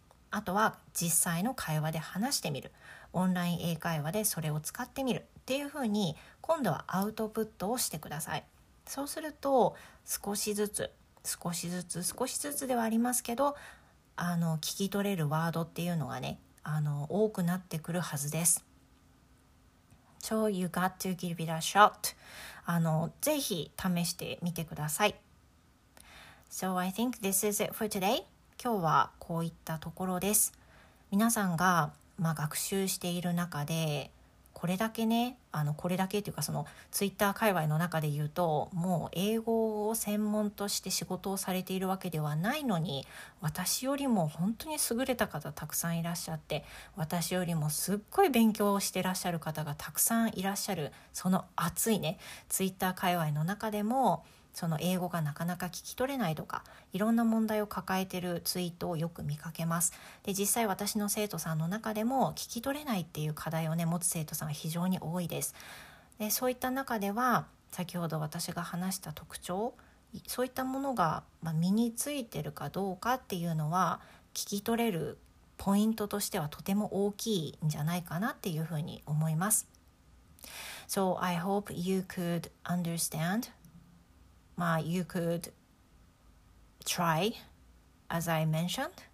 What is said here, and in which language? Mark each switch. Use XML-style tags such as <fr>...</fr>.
<ja>あとは実際の会話で話してみる。オンライン英会話でそれを使ってみるっていうふうに、今度はアウトプットをしてください。そうすると少しずつ少しずつ少しずつではありますけど、聞き取れるワードっていうのがね、多くなってくるはずです。</ja> <en>So you got to give it a shot.</en> <ja>ぜひ試してみてください。</ja> <en>So I think this is it for today.</en> <ja>今日はこういったところです。皆さんが、まあ、学習している中で、これだけね、これだけというか、そのツイッター界隈の中で言うと、もう英語を専門として仕事をされているわけではないのに、私よりも本当に優れた方たくさんいらっしゃって、私よりもすっごい勉強をしてらっしゃる方がたくさんいらっしゃる、その熱いねツイッター界隈の中でも、その英語がなかなか聞き取れないとか、いろんな問題を抱えているツイートをよく見かけます。で、実際私の生徒さんの中でも聞き取れないっていう課題をね持つ生徒さんは非常に多いです。で、そういった中では、先ほど私が話した特徴、そういったものが、まあ、身についてるかどうかっていうのは、聞き取れるポイントとしてはとても大きいんじゃないかなっていうふうに思います。</ja> <en>So I hope you could understandyou could try as I mentioned.</en>